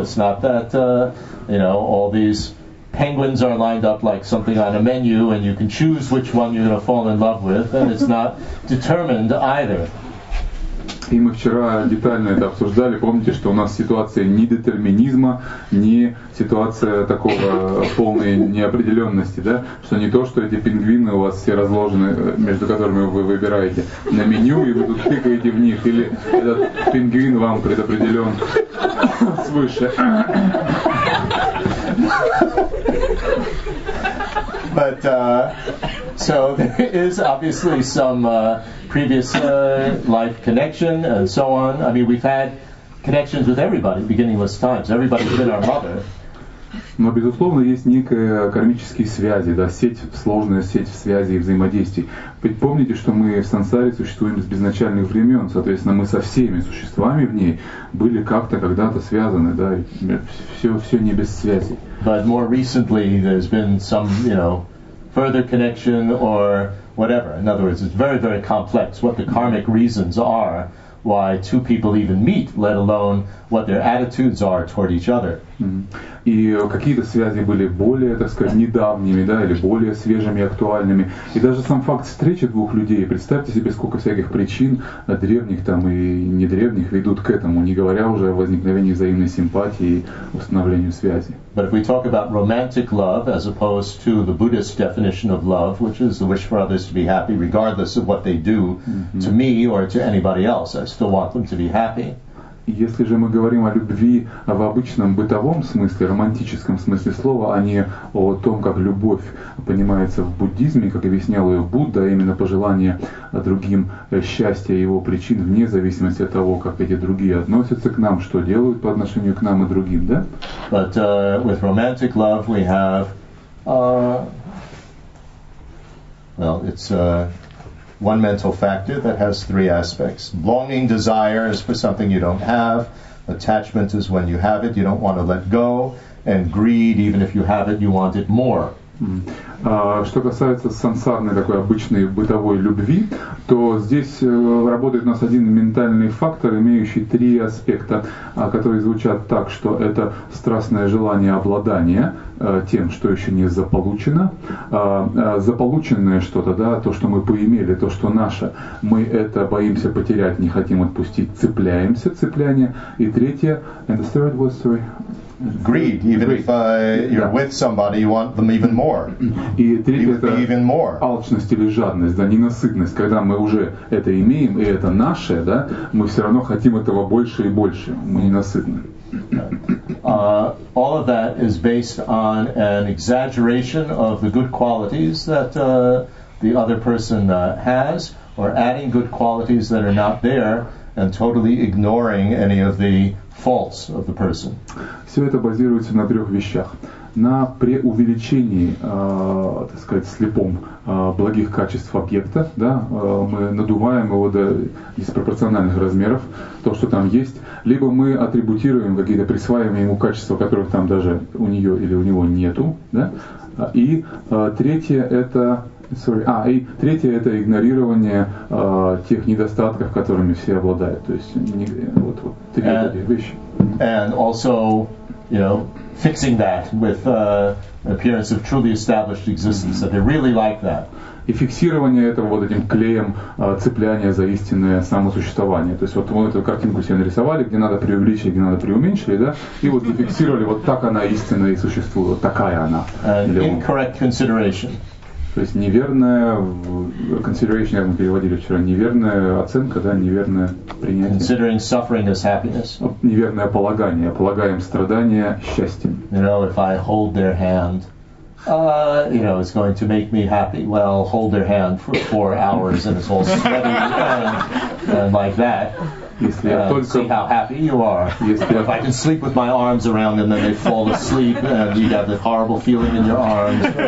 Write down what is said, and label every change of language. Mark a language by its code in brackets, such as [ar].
[en] It's not that you know, all these penguins are lined up like something on a menu, and you can choose which one you're going to fall in love with, and it's not determined either. [ru] И мы вчера детально это обсуждали. Помните, что у нас ситуация ни детерминизма, ни ситуация такого полной неопределенности, да? Что не то, что эти пингвины у вас все разложены, между которыми вы выбираете на меню, и вы тут тыкаете в них, или этот пингвин вам предопределен свыше. [en] But so there is obviously some previous life connection and so on. I mean, we've had connections with everybody, beginningless times. Everybody's been our mother. [ru] Но, безусловно, есть некие кармические связи, да, сеть, сложная сеть связей и взаимодействий. Ведь помните, что мы в сансаре существуем с безначальных времен, соответственно, мы со всеми существами в ней были как-то когда-то связаны, да, все не без связи. [en] But more recently there's been some, you know, further connection or whatever. In other words, it's very, very complex what the karmic reasons are why two people even meet, let alone what their attitudes are toward each other. [ru] И какие-то связи были более, так сказать, недавними, да, или более свежими, актуальными. И даже сам факт встречи двух людей, представьте себе, сколько всяких причин, древних там и недревних, ведут к этому, не говоря уже о возникновении взаимной симпатии и установлении связи. [en] But if we talk about romantic love, as opposed to the Buddhist definition of love, which is the wish for others to be happy, regardless of what they do to me or to anybody else, I still want them to be happy. [ru] Если же мы говорим о любви в обычном бытовом смысле, романтическом смысле слова, а не о том, как любовь понимается в буддизме, как объяснял ее Будда, именно пожелание другим счастья и его причин, вне зависимости от того, как эти другие относятся к нам, что делают по отношению к нам и другим, да? [en] But with romantic love we have, well, it's one mental factor that has three aspects. Longing desire is for something you don't have. Attachment is when you have it, you don't want to let go. And greed, even if you have it, you want it more. [ru] Что касается сансарной такой обычной бытовой любви, то здесь работает у нас один ментальный фактор, имеющий три аспекта, которые звучат так, что это страстное желание обладания тем, что еще не заполучено, заполученное что-то, да, то, что мы поимели, то, что наше, мы это боимся потерять, не хотим отпустить, цепляемся, цепляние, и третье, and the third was, sorry, [en] greed, even greed. If you're with somebody, you want them even more. [ru] И третье, это even more. Алчность или жадность, да, ненасытность. Когда мы уже это имеем, и это наше, да, мы все равно хотим этого больше и больше. Мы ненасытны. [en] All of that is based on an exaggeration of the good qualities that the other person has, or adding good qualities that are not there, and totally ignoring any of the faults of the person. [ru] Все это базируется на трех вещах. На преувеличении, так сказать, слепом благих качеств объекта, да, мы надуваем его до диспропорциональных размеров, то, что там есть, либо мы атрибутируем какие-то присваиваемые ему качества, которых там даже у нее или у него нету, да, и третье это, sorry, и третье это игнорирование тех недостатков, которыми все обладают, то есть вот три вещи. [en] And also, you know, fixing that with appearance of truly established existence, that they really like that. [ru] И фиксирование этого вот этим клеем цепляния за истинное самосуществование. То есть вот мы эту картинку себе нарисовали, где надо преувеличить, где надо преуменьшить, да? И вот зафиксировали, вот так она истинная и существует, вот такая она. [en] Incorrect consideration. [ru] То есть неверное, consideration, как мы переводили вчера, неверная оценка, да, неверное принятие. [en] Considering suffering as happiness. [ru] Неверное полагание. Полагаем страдания счастьем. [en] You know, if I hold their hand, you know, it's going to make me happy. Well, hold their hand for 4 hours and it's all sweaty and like that. [ru] Если я только... [en] See how happy you are. [ru] Если [en] if I can sleep with my arms around them, then they fall asleep and you have the horrible feeling in your arms.